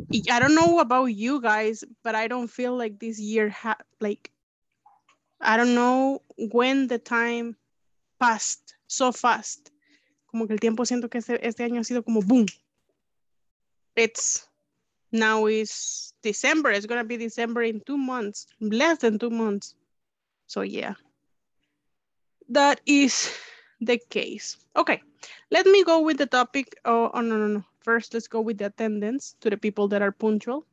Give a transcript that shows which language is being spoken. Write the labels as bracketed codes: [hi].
[en] I don't know about you guys, but I don't feel like this year, like, I don't know when the time passed so fast. [es] Como que el tiempo siento que este año ha sido como boom. [en] It's now is December. It's gonna be December in 2 months, less than 2 months. So yeah, that is the case. Okay, let me go with the topic. Oh no. First, let's go with the attendance to the people that are punctual.